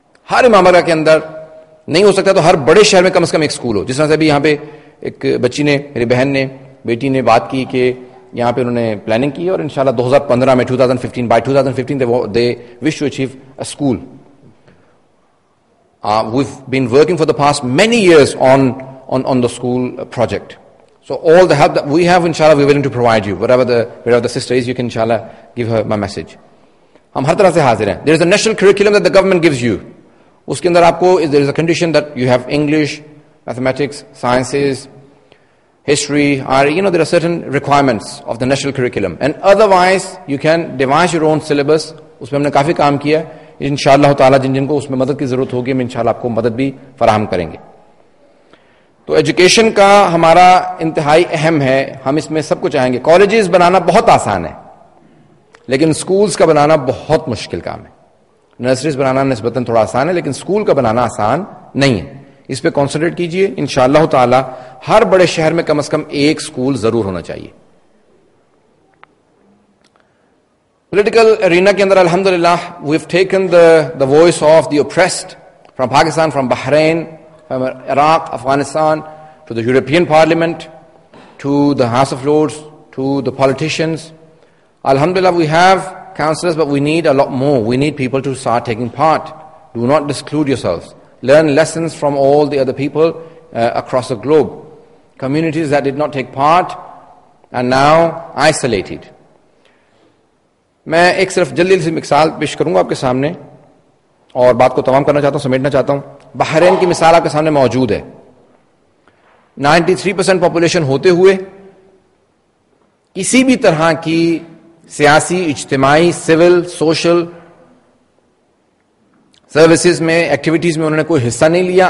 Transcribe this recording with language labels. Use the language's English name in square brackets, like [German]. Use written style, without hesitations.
[Urdu] ہر امامبرگا کے اندر نہیں ہو سکتا تو ہر بڑے شہر میں کم از کم ایک سکول ہو. جس طرح سے ابھی یہاں پہ ایک بچی نے، میری بہن نے، بیٹی نے بات کی کہ یہاں پہ انہوں نے پلاننگ کی اور انشاءاللہ 2015 میں 2015 [English] They wish to achieve a school. We have been working for the past many years on the school project. So all the help we have انشاءاللہ we willing to provide you whatever the wear of the sister is, you can انشاءاللہ give her my message. [Urdu] ہم ہر طرح سے حاضر ہیں. [English] There is a national curriculum that the government gives you. [Urdu] اس کے اندر آپ کو [English] There is a condition that you have English, mathematics, sciences, history, are you know there are certain requirements of the national curriculum, and otherwise you can devise your own syllabus. [Urdu] اس میں ہم نے کافی کام کیا ہے. ان شاء اللہ تعالیٰ جن جن کو اس میں مدد کی ضرورت ہوگی ہم ان شاء اللہ آپ کو مدد بھی فراہم کریں گے. تو ایجوکیشن کا ہمارا انتہائی اہم ہے. ہم اس میں سب کو چاہیں گے. کالجز بنانا بہت آسان ہے لیکن اسکولس کا بنانا بہت مشکل کام ہے. نرسریز بنانا نسبتاً تھوڑا آسان ہے لیکن اسکول کا بنانا آسان نہیں ہے. اس پہ کانسنٹریٹ کیجئے. انشاءاللہ تعالی ہر بڑے شہر میں کم از کم ایک اسکول ضرور ہونا چاہیے. پولیٹیکل ارینا کے اندر [English] الحمدللہ we have taken the voice of the oppressed from Pakistan, from Bahrain, from Iraq, Afghanistan, to the European Parliament, to the House of Lords, to the politicians. الحمدللہ we have counselors, but we need a lot more. We need people to start taking part. Do not disclude yourselves. Learn lessons from all the other people across the globe. Communities that did not take part and now isolated. [Urdu] میں ایک صرف جلدی سے مثال پیش کروں گا آپ کے سامنے اور بات کو تمام کرنا چاہتا ہوں، سمیٹنا چاہتا ہوں. بحرین کی مثال آپ کے سامنے موجود ہے. 93% پاپولیشن ہوتے ہوئے کسی بھی طرح کی سیاسی، اجتماعی، سول، سوشل سروسز میں، ایکٹیویٹیز میں انہوں نے کوئی حصہ نہیں لیا.